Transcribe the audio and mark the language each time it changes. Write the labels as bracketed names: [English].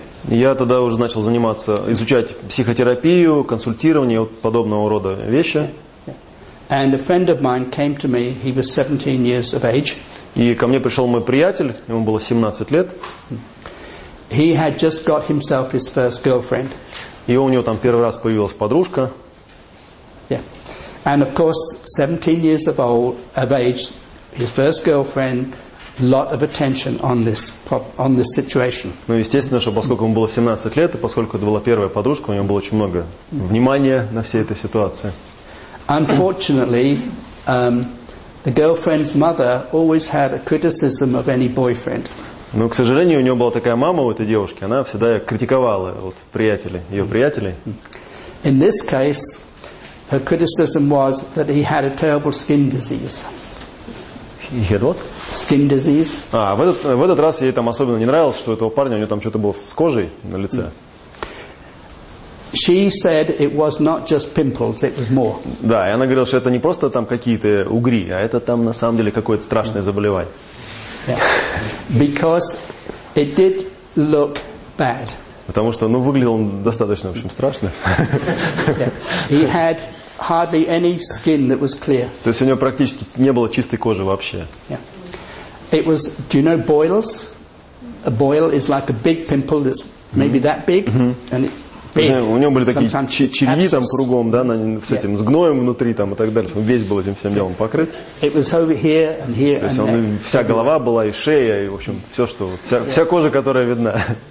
[Russian] Я тогда уже начал заниматься, изучать психотерапию, консультирование, вот подобного рода вещи. [English] And a friend of mine came to me, he was 17 years of age. [Russian] И ко мне пришел мой приятель, ему было 17 лет. [English] He had just got himself his first girlfriend. [Russian] И у него там первый раз появилась подружка. [English] Yeah. And of course, 17 years of age, his first girlfriend, lot of attention on this situation. [Russian] Ну, естественно, что поскольку ему было 17 лет, и поскольку это была первая подружка, у него было очень много внимания на всей этой ситуации. [English] Unfortunately, the girlfriend's mother always had a criticism of any boyfriend. [Russian] Ну, к сожалению, у нее была такая мама у этой девушки, она всегда критиковала вот, приятелей, ее приятелей. [English] In this case, her criticism was that he had a terrible skin disease. He had what? Skin disease. [Russian] А, в этот раз ей там особенно не нравилось, что у этого парня у него там что-то было с кожей на лице. [English] She said it was not just pimples, it was more. [Russian] Да, и она говорила, что это не просто там какие-то угри, а это там на самом деле какое-то страшное заболевание. [English] Yeah. Because it did look bad. [Russian] Потому что, ну, выглядел он достаточно, в общем, страшно. [English] He had hardly any skin that was clear. [Russian] То есть у него практически не было чистой кожи вообще. [English] Yeah. It was, do you know boils? A boil is like a big pimple that's maybe that big. And it big. [Russian] У него были такие черви там кругом, да, с этим, с гноем внутри там и так далее. Он весь был этим всем делом покрыт. [English] It was over here and here. [Russian] То есть он, вся голова была, и шея, и, в общем, все, что, вся кожа, которая видна.